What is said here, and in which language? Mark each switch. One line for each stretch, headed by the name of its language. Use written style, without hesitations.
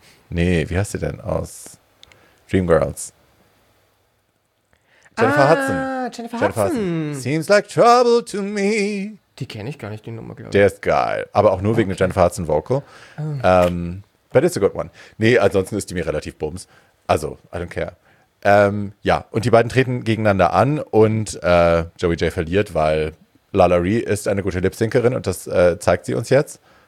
German: Wie heißt sie denn aus Dreamgirls? Jennifer Hudson.
English: Seems like trouble to me.
German: Die kenne ich gar nicht, die Nummer, glaube ich. Der ist geil. Aber auch nur wegen der Jennifer Hudson Vocal.
English: But it's a good one.
German: Nee, ansonsten ist die mir relativ bums. Also,
English: I don't care.
German: Und die beiden treten gegeneinander an und Joey J verliert, weil Lalari ist eine gute Lip-Syncerin und das zeigt sie uns jetzt.